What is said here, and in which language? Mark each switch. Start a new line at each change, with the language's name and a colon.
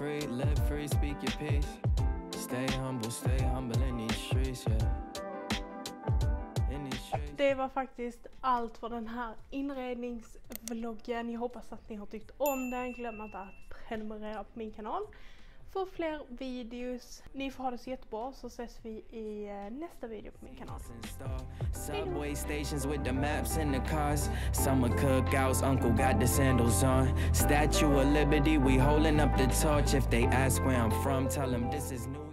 English: Live free, speak your peace. Stay humble in these streets, yeah. In these streets.
Swedish: Det var faktiskt allt för den här inredningsvloggen. Jag hoppas att ni har tyckt om den. Glöm inte att prenumerera på min kanal för fler videos. Ni får ha det så jättebra, så ses vi i nästa video på min kanal.
English: Subway stations with the maps in the cars. Summer cookouts, uncle got the sandals on. Statue of Liberty, we holding up the torch. If they ask where I'm from, tell them this is new.